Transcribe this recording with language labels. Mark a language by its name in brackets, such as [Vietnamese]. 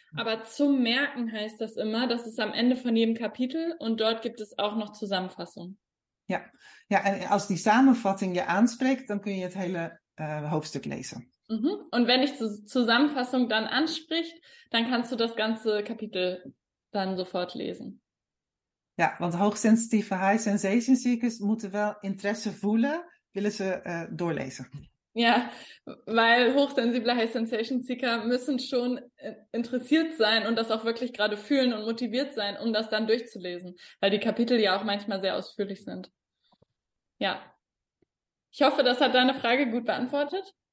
[German] Aber zum Merken heißt das immer, das ist am Ende von jedem Kapitel und dort gibt es auch noch Zusammenfassung. Ja, ja, als die Zusammenfassung ja anspricht, dann können wir jetzt hele Hauptstück lesen. Mhm. Und wenn ich die Zusammenfassung dann anspricht, dann kannst du das ganze Kapitel dann sofort lesen. [Dutch] Ja, want hoogsensitieve high sensation seekers moeten wel interesse voelen, willen ze doorlezen. [German] Ja, weil hochsensible high sensation seeker müssen schon interessiert sein und das auch wirklich gerade fühlen und motiviert sein, um das dann durchzulesen, weil die Kapitel ja auch manchmal sehr ausführlich sind. Ja, ich hoffe, das hat deine Frage gut beantwortet.